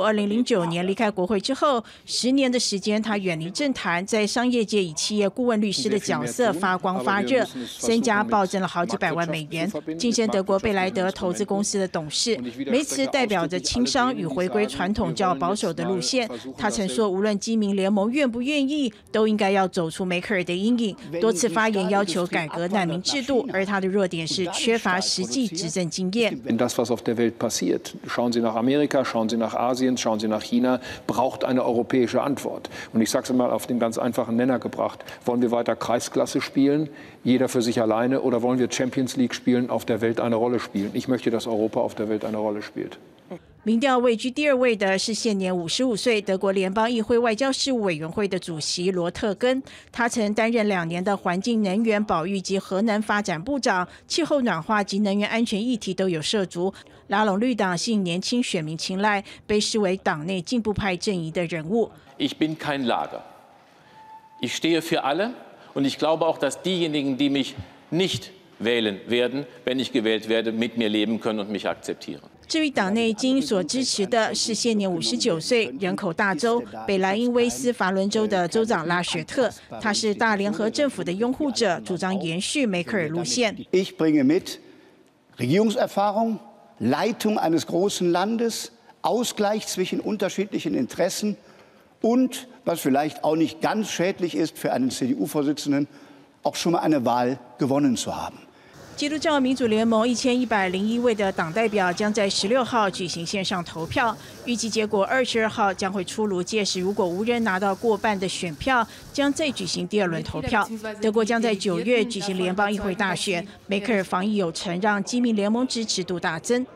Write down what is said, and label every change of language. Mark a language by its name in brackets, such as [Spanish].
[Chinese] 2009年离开国会之后，10年的时间，他远离政坛，在商业界以企业顾问律师的角色发光发热，身家暴增了好几百万美元，晋升德国贝莱德投资公司的董事。梅茨代表着轻商与回归传统较保守的路线。他曾说，无论基民联盟愿不愿意，都应该要走出梅克尔的阴影，多次发言要求改革难民制度，而他的弱点是缺乏实际执政经验。 [German] Wenn das, was auf der Welt passiert, schauen Sie nach Amerika, schauen Sie nach Asien, schauen Sie nach China, braucht eine europäische Antwort. Und ich sag's mal auf den ganz einfachen Nenner gebracht: Wollen wir weiter Kreisklasse spielen, jeder für sich alleine, oder wollen wir Champions League spielen, auf der Welt eine Rolle spielen? Ich möchte, dass Europa auf der Welt eine Rolle spielt. [Chinese] 民调位居第二位的是现年55岁、德国联邦议会外交事务委员会的主席罗特根。他曾担任2年的环境、能源、保育及核能发展部长，气候暖化及能源安全议题都有涉足，拉拢绿党，吸引年轻选民青睐，被视为党内进步派阵营的人物。 [German] Ich bin kein Lager. Ich stehe für alle, und ich glaube auch, dass diejenigen, die mich nicht wählen werden, wenn ich gewählt werde, mit mir leben können und mich akzeptieren. [Chinese] 至于党内精英所支持的是现年59岁、人口大州北莱茵威斯法伦州的州长拉雪特，他是大联合政府的拥护者，主张延续梅克尔路线。 [German] Ich bringe mit Regierungserfahrung, Leitung eines großen Landes, Ausgleich zwischen unterschiedlichen Interessen und, was vielleicht auch nicht ganz schädlich ist für einen CDU-Vorsitzenden, auch schon mal eine Wahl gewonnen zu haben. [Chinese] 基督教民主联盟1101位的党代表将在16号举行线上投票，预计结果22号将会出炉。届时如果无人拿到过半的选票，将再举行第二轮投票。德国将在9月举行联邦议会大选，梅克尔防疫有成，让基民联盟支持度大增。